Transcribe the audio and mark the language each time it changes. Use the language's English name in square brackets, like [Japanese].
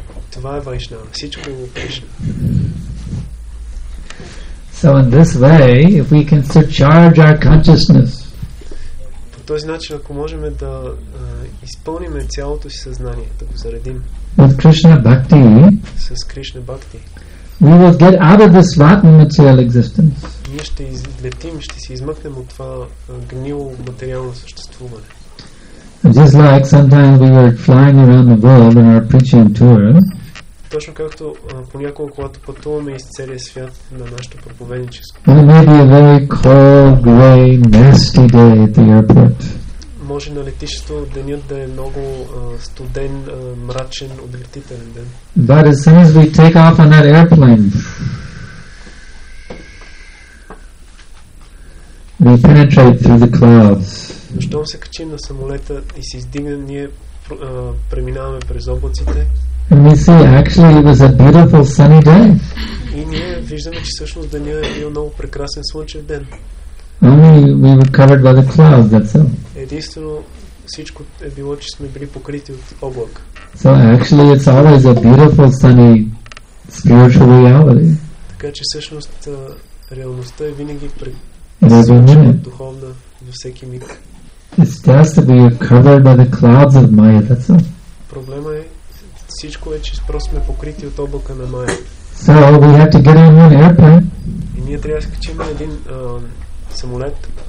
[Bulgarian] Това е Vaishnava. Всичко е Krishna. [English] So in this way, if we can surcharge our consciousness. [Bulgarian] По този начин, ако можем да изпълним цялото си съзнание, да го заредим. [English] With Krishna Bhakti. [Bulgarian] С Krishna Bhakti. [English] We will get out of this rotten material existence. [Bulgarian] Ние ще излетим, ще се измъкнем от това гнило материално съществуване. [English] Just like sometimes we were flying around the world in our preaching tour. [Bulgarian] Точно както понякога, когато пътуваме из целия свят на нашето проповедническо. [English] It may be a very cold, grey, nasty day at the airport. [Bulgarian] може на летището денят да е много студен, мрачен, отвратителен ден. [English] But as soon as we take off on that airplane, we penetrate through the clouds. [Bulgarian] Щом се качим на самолета и се издигнем, ние преминаваме през облаците. [English] And we see actually it was a beautiful sunny day. [Bulgarian] И ние виждаме, че всъщност деня е бил много прекрасен слънчев ден. [English] Only we were covered by the clouds, that's all. [Bulgarian] Единствено всичко е било, че сме били покрити от облак. [English] So actually it's always a beautiful sunny spiritual reality. [Bulgarian] Така че всъщност реалността е винаги прекрасна, духовна във всеки миг. [English] It's just that we are covered by the clouds of Maya, that's all. [Bulgarian] Проблема е всичко е, че просто сме покрити от облака на Майя. [English] So we have to get on an airplane. [Bulgarian] И ние трябва да скачим на един самолет.